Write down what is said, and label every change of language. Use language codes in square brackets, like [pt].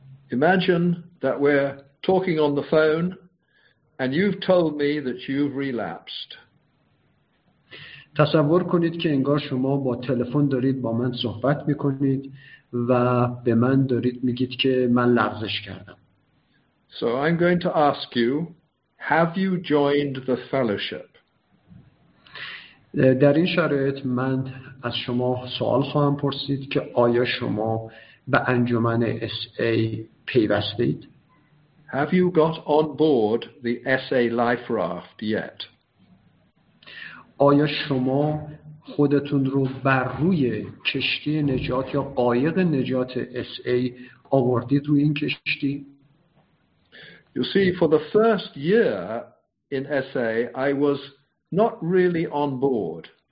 [en] Imagine that we're talking on the phone and you've told me that you've relapsed. [fa] تصور کنید که انگار شما با تلفن دارید با من صحبت میکنید و به من دارید میگید که من لغزش کردم. [en] So I'm going to ask you, have you joined the fellowship? [fa] در این شرایط من از شما سوال خواهم پرسید که آیا شما به انجمن SA پیوستید؟ [en] Have you got on board the SA life raft yet? [fa] آیا شما خودتون رو بر روی کشتی نجات یا قایق نجات SA آوردید روی این کشتی؟ [en] You see, for the first year in SA, I was not really on board.